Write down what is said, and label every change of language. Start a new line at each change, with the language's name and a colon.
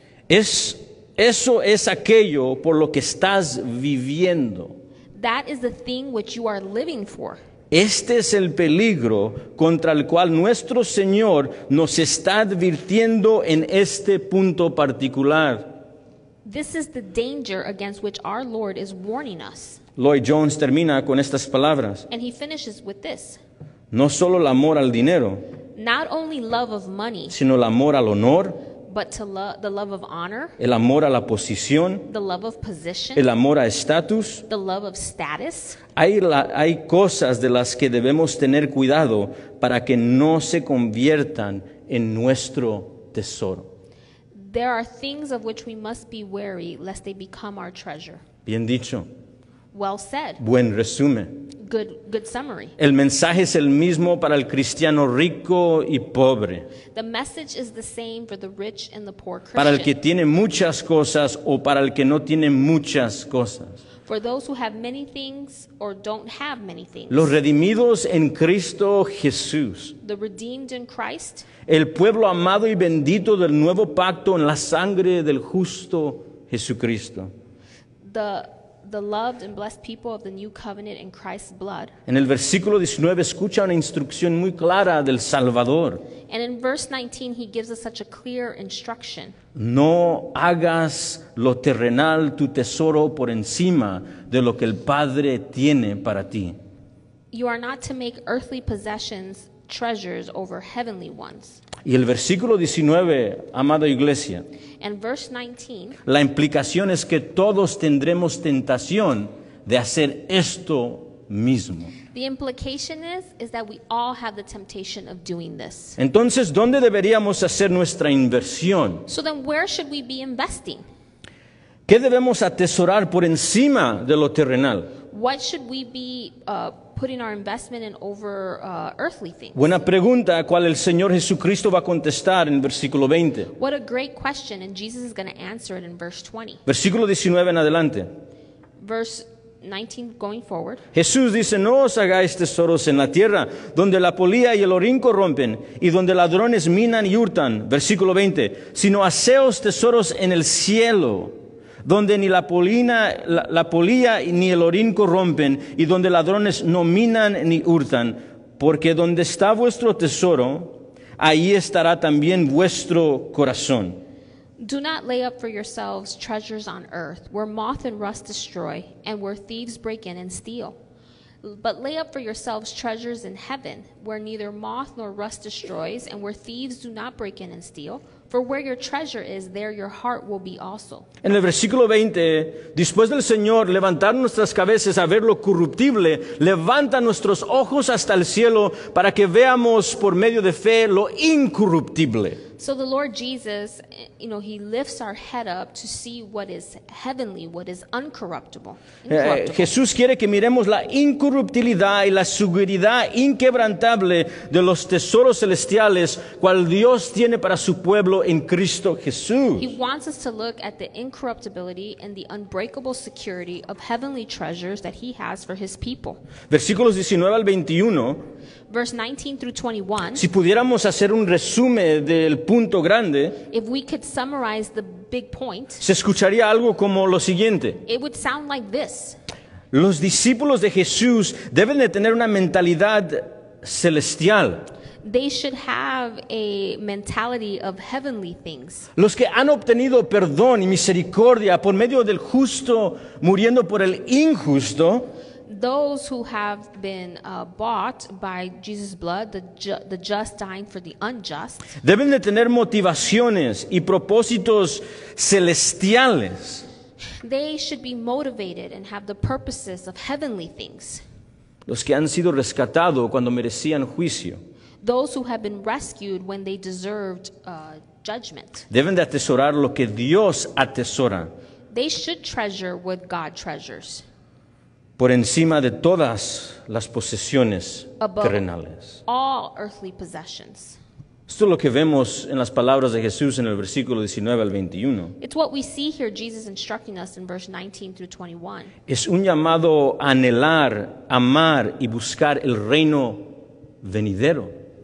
Spanish: Eso es aquello por lo que estás viviendo.
English: That is the thing which you are living for.
Spanish: Este es el peligro contra el cual nuestro Señor nos está advirtiendo en este punto particular.
English: This is the danger against which our Lord is warning us.
Spanish: Lloyd-Jones termina con estas palabras.
English: And he finishes with this.
Spanish: No solo el amor al dinero.
English: Not only love of money.
Spanish: Sino el amor al honor.
English: But to the love of honor,
Spanish: el amor a la posición,
English: the love of position,
Spanish: el amor a status,
English: the love of status.
Spanish: Hay cosas de las que debemos tener cuidado para que no se conviertan en nuestro tesoro.
English: There are things of which we must be wary lest they become our treasure.
Spanish: Bien dicho.
English: Well said.
Spanish: Buen resumen.
English: Good summary.
Spanish: El mensaje es el mismo para el cristiano rico y pobre.
English: The message is the same for the rich and the poor Christian.
Spanish: Para el que tiene muchas cosas o para el que no tiene muchas cosas.
English: For those who have many things or don't have many things.
Spanish: Los redimidos en Cristo Jesús.
English: The redeemed in Christ.
Spanish: El pueblo amado y bendito del nuevo pacto en la sangre del justo Jesucristo.
English: The loved and blessed people of the new covenant in Christ's blood.
Spanish: En el versículo 19 escucha una instrucción muy clara del Salvador.
English: And in verse 19 he gives us such a clear instruction.
Spanish: No hagas lo terrenal tu tesoro por encima de lo que el Padre tiene para ti.
English: You are not to make earthly possessions treasures over heavenly ones.
Spanish: Y el versículo 19, amada iglesia.
English: And verse 19.
Spanish: La implicación es que todos tendremos tentación de hacer esto mismo.
English: The implication is that we all have the temptation of doing this.
Spanish: Entonces, ¿dónde deberíamos hacer nuestra inversión?
English: So then where should we be investing?
Spanish: ¿Qué debemos atesorar por encima de lo terrenal?
English: What should we be putting our investment in over earthly things?
Spanish: Buena pregunta, cual el Señor Jesucristo va a contestar en versículo 20.
English: What a great question, and Jesus is going to answer it in verse 20.
Spanish: Versículo 19 en adelante.
English: Verse 19 going forward.
Spanish: Jesús dice, no os hagáis tesoros en la tierra, donde la polilla y el orín corrompen, y donde ladrones minan y hurtan. Versículo 20. Sino haceos tesoros en el cielo, donde ni la polilla ni el orín corrompen, y donde ladrones no minan ni hurtan, porque donde está vuestro tesoro, ahí estará también vuestro corazón.
English: Do not lay up for yourselves treasures on earth, where moth and rust destroy, and where thieves break in and steal. But lay up for yourselves treasures in heaven, where neither moth nor rust destroys, and where thieves do not break in and steal. For where your treasure is, there your heart will be also.
Spanish: En el versículo 20, después del Señor levantar nuestras cabezas a ver lo corruptible, levanta nuestros ojos hasta el cielo para que veamos por medio de fe lo incorruptible.
English: So the Lord Jesus, you know, he lifts our head up to see what is heavenly, what is incorruptible.
Spanish: Jesús quiere que miremos la incorruptibilidad y la seguridad inquebrantable de los tesoros celestiales cual Dios tiene para su pueblo en Cristo Jesús.
English: He wants us to look at the incorruptibility and the unbreakable security of heavenly treasures that he has for his people.
Spanish: Versículos 19 al 21.
English: Verse 19 through 21.
Spanish: Si pudiéramos hacer un resumen del punto grande,
English: if we could summarize the big point,
Spanish: se escucharía algo como lo siguiente.
English: It would sound like this.
Spanish: Los discípulos de Jesús deben de tener una mentalidad celestial.
English: They should have a mentality of heavenly things.
Spanish: Los que han obtenido perdón y misericordia por medio del justo muriendo por el injusto.
English: Those who have been bought by Jesus' blood, the just dying for the unjust.
Spanish: Deben de tener motivaciones y propósitos celestiales.
English: They should be motivated and have the purposes of heavenly things.
Spanish: Los que han sido rescatados cuando merecían juicio.
English: Those who have been rescued when they deserved judgment.
Spanish: Deben de atesorar lo que Dios atesora.
English: They should treasure what God treasures.
Spanish: Por encima de todas las posesiones
English: above
Spanish: terrenales.
English: All earthly possessions.
Spanish: Esto es lo que vemos en las palabras de Jesús en el versículo 19 al 21.
English: It's what we see here Jesus instructing us in verse 19 through 21.
Spanish: Es un llamado a anhelar, amar y buscar el reino venidero.